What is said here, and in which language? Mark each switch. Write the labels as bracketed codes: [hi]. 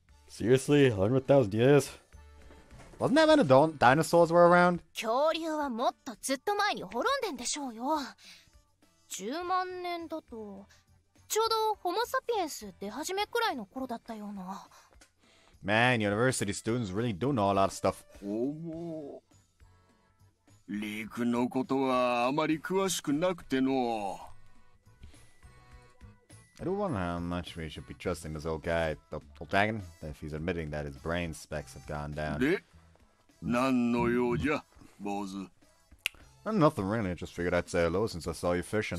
[en] Seriously, 100,000 years? Wasn't that when the dinosaurs were around? [ja] 恐竜はもっとずっと前に滅んでんでしょうよ。10万年だと、ちょうどホモサピエンス出始めくらいの頃だったような。 [en] Man, university students really do know a lot of stuff. [ja] おも、陸のことはあまり詳しくなくての。 [en] I don't wonder how much we should be trusting this old guy, the old dragon, if he's admitting that his brain specs have gone down. [ja] で、何の用じゃ、坊主。 [en] Nothing really, I just figured I'd say hello since I saw you fishing.